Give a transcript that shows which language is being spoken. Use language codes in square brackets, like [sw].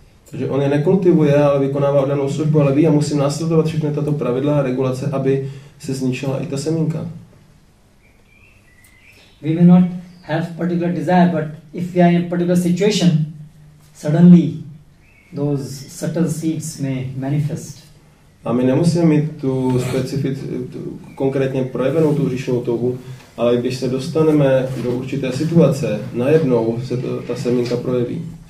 [cs] Takže on je nekultivuje, ale vykonává danou službu, ale ví, já musím následovat všechny tato pravidla a regulace, aby se zničila i ta semínka. [en] We may not have particular desire, but if we are in a particular situation, suddenly those subtle seeds may manifest. [cs] A my nemusíme mít tu konkrétně projevenou tu hříšnou touhu, ale když se dostaneme do určité situace, najednou se ta semínka projeví.